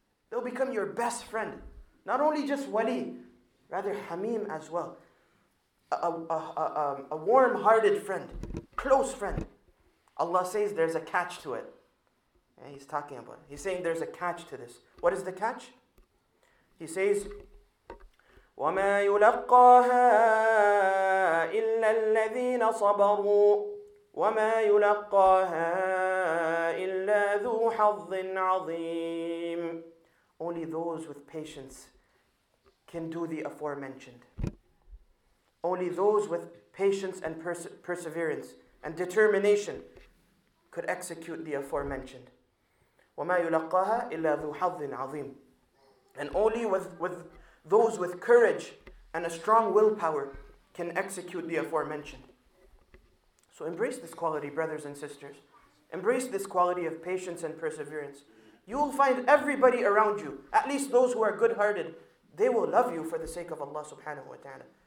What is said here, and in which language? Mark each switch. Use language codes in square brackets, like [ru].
[en] They'll become your best friend. Not only just wali, rather hamim as well. A warm-hearted friend, close friend. Allah says there's a catch to it. Yeah, he's talking about it. He's saying there's a catch to this. What is the catch? He says, [ar] وما يلقاها إلا الذين صبروا وما يلقاها إلا ذو حظ عظيم. [en] Only those with patience can do the aforementioned. Only those with patience and perseverance and determination could execute the aforementioned. [ar] وما يلقاها إلا ذو حظ عظيم. [en] And only with those with courage and a strong willpower can execute the aforementioned. So embrace this quality, brothers and sisters. Embrace this quality of patience and perseverance. You will find everybody around you, at least those who are good-hearted, they will love you for the sake of Allah subhanahu wa ta'ala.